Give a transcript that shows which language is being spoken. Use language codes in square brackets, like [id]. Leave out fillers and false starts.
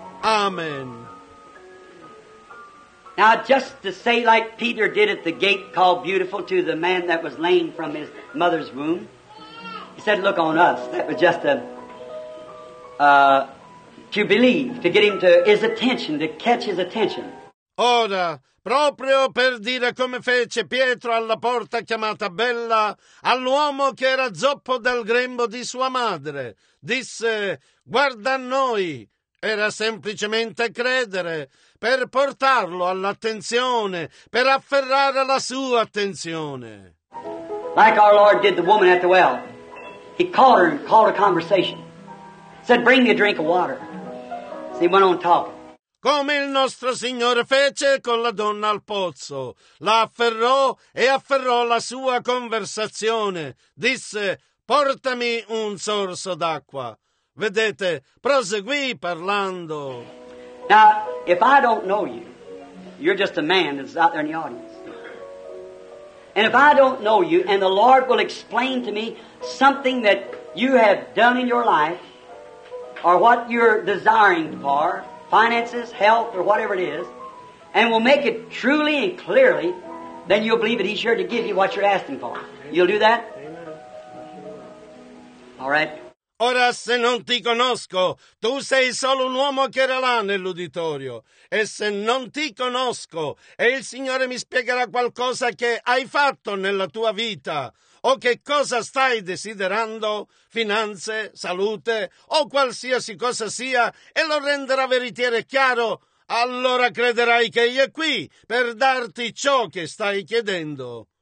[en] Amen. Now, just to say like Peter did at the gate called Beautiful to the man that was lame from his mother's womb, he said, look on us. That was just to believe, to get him to his attention, to catch his attention. [it] Ora, proprio per dire come fece Pietro alla porta chiamata Bella, all'uomo che era zoppo dal grembo di sua madre, disse, guarda a noi. Era semplicemente credere, per portarlo all'attenzione, per afferrare la sua attenzione. [en] Like our Lord did the woman at the well. He called her and called a conversation. Said, bring me a drink of water. So he went on talking. [it] Come il nostro Signore fece con la donna al pozzo. La afferrò e afferrò la sua conversazione. Disse, portami un sorso d'acqua. Vedete, proseguì parlando. [en] Now, if I don't know you, you're just a man that's out there in the audience. And if I don't know you, and the Lord will explain to me something that you have done in your life, or what you're desiring for, finances, health, or whatever it is, and will make it truly and clearly, then you'll believe that He's here to give you what you're asking for. You'll do that? Amen. All right. [it] Ora, se non ti conosco, tu sei solo un uomo che era là nell'uditorio. E se non ti conosco, e il Signore mi spiegherà qualcosa che hai fatto nella tua vita, o che cosa stai desiderando, finanze, salute, o qualsiasi cosa sia, e lo renderà veritiero e chiaro, allora crederai che io è qui per darti ciò che stai chiedendo.